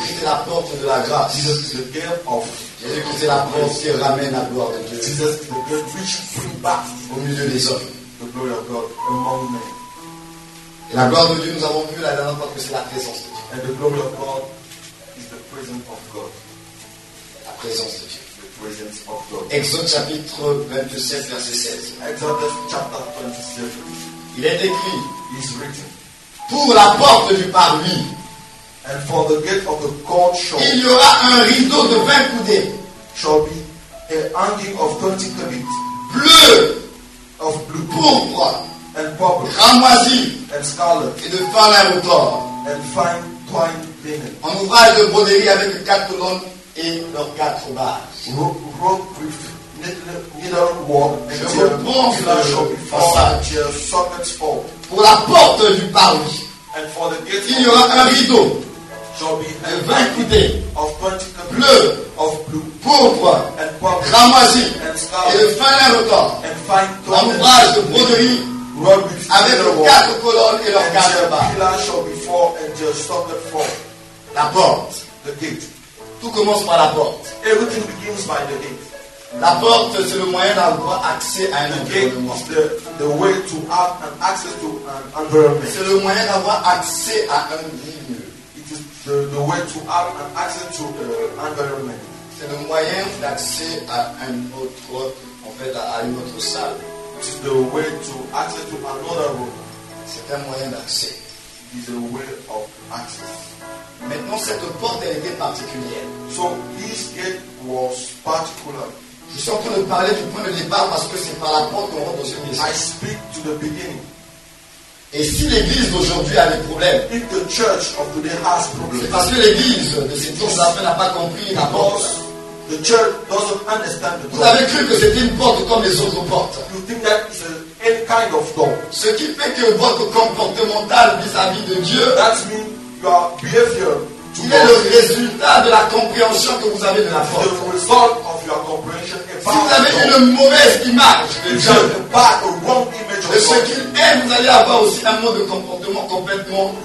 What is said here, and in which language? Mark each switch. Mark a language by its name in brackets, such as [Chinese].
[French] Jésus-Christ est la porte de la grâce. [English] Jesus is the gate of. [French] Jésus-Christ est la porte qui ramène la gloire de Dieu. [English] Jesus is the gate which brings back [French] au milieu des hommes [English] the glory of God among men. [French] Et la gloire de Dieu, nous avons vu la dernière fois que c'est la présence de Dieu. [English] And the glory of God is the presence of God. [French] La présence de Dieu. [English] Presence of God. [French] Exode chapitre 27 verset 16. [English] Exode chapter 27. [French] Il est écrit. [English] Is written. [French] Pour la porte du parvis. [English] And for the gate of the court shall. [French] Il y aura un rideau de 20 coudées. [English] Shall be a hanging of 20 cubits. [French] Bleu. [English] Of blue. [French] Pourpre. [English] And purple. [French] Ramoisi. [English] And scarlet. [French] Et de fin lin d'or. [English] And fine twined linen. [French] En ouvrage de broderie avec 4 colonnes. Et leurs quatre barres. [English] Rope with needle work. [French] Je reprends le [English] passage. Sockets for. [French] Pour la porte du parvis. [English] And for the gate. [French] Il y aura un rideau. [English] Shall be [French] de 20 coudées. [English] Of 20 coudées. [French] Bleu. [English] Of blue. [French] Pourpre. [English] And purple. [French] Ramoisi. [English] And scarlet. [French] Et de fin lin d'or. [English] And fine [French] twine. En ouvrage de broderie. [English] Rope with [French] avec leurs quatre colonnes et leurs quatre barres. [English] Pillars shall be four and their socket four. [French] La porte. [English] The gate. [French] Tout commence par la porte. [English] Everything begins by the gate. [French] La porte, c'est le moyen d'avoir accès à un environnement. [English] The way to have an access to an environment. [French] C'est le moyen d'avoir accès à un lieu. [English] It is the way to have an access to the environment. [French] C'est le moyen d'accès à un autre, en fait, à une autre salle. [English] It is the way to access to another room. [French] C'est un moyen d'accès. [English] It is a way of access. [French] Maintenant, cette porte elle était particulière. [English] So this gate was particular. [French] Je suis en train de parler du point de départ parce que c'est par la porte qu'on rentre dans ce message. [English] I speak to the beginning. [French] Et si l'église d'aujourd'hui a des problèmes, [English] if the church of today has problems, [French] c'est parce que l'église de ces temps n'a pas compris la porte. [English] The church doesn't understand the door. [French] Vous avez cru que c'était une porte comme les autres portes. [English] You think that it's a, any kind of door. [French] Ce qui fait que votre comportemental vis-à-vis de Dieu, [English] that means your behavior to [French] God, est le résultat de la compréhension que vous avez de la porte. [English] The result of your comprehension about [French] si vous avez [English] the door, [French] une mauvaise image de Dieu, [English] a bad, a wrong image of [French] de ce qu'il est, vous allez avoir aussi un mode de comportement complètement